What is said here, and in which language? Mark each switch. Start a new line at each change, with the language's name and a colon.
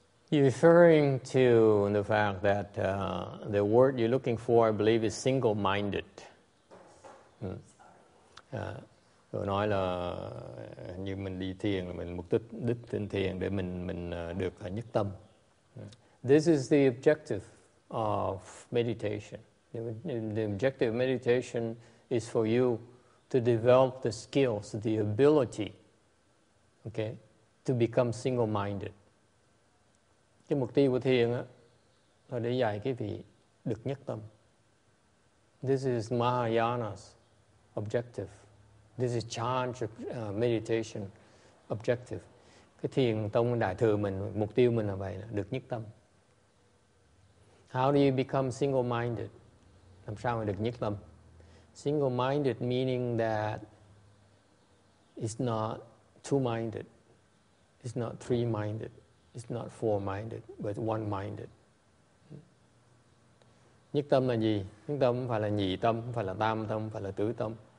English: you're referring to the fact that the word you're looking for, I believe, is single-minded.
Vietnamese: Tôi nói là như mình đi thiền, mình mục đích trên thiền để mình được nhất tâm.
English: This is the objective of meditation. The objective of meditation is for you to develop the skills, the ability, okay, to become single-minded.
Vietnamese: Cái mục tiêu của thiền là để dạy cái vị được nhất tâm.
English: This is Mahayana's objective. This is chant meditation objective.
Vietnamese: Cái thiền tông đại thừa mình, mục tiêu mình là vậy, là được nhất tâm.
English: How do you become single-minded?
Vietnamese: Làm sao mà được nhất tâm?
English: Single-minded meaning that it's not two-minded, it's not three-minded, it's not four-minded, but one-minded.
Vietnamese: Nhất tâm là gì? Nhất tâm không phải là nhị tâm, không phải là tam tâm, không phải là tứ tâm.